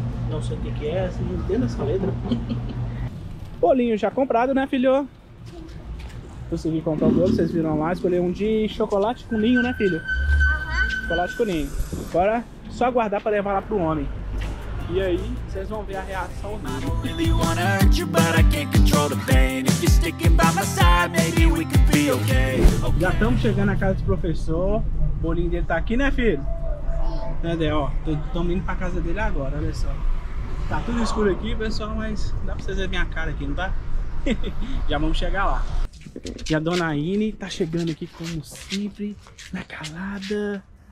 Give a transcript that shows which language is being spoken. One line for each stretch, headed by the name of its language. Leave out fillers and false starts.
Portuguese: Não sei o que é, você não entende essa letra. Bolinho já comprado, né, filho? Consegui comprar o bolo, vocês viram lá. Escolhi um de chocolate com ninho, né, filho? Chocolate com ninho. Agora só aguardar para levar lá pro homem. E aí, vocês vão ver a reação.
English: I don't really wanna hurt you, but I can't control the pain. If you're sticking by my side, maybe we could be okay.
Portuguese: Já estamos chegando na casa do professor. O bolinho dele tá aqui, né, filho? Sim. É, Dé, ó. Estamos indo pra casa dele agora, olha só. Tá tudo escuro aqui, pessoal, mas dá para vocês verem minha cara aqui, não tá? Já vamos chegar lá. E a dona Ine tá chegando aqui como sempre, na calada.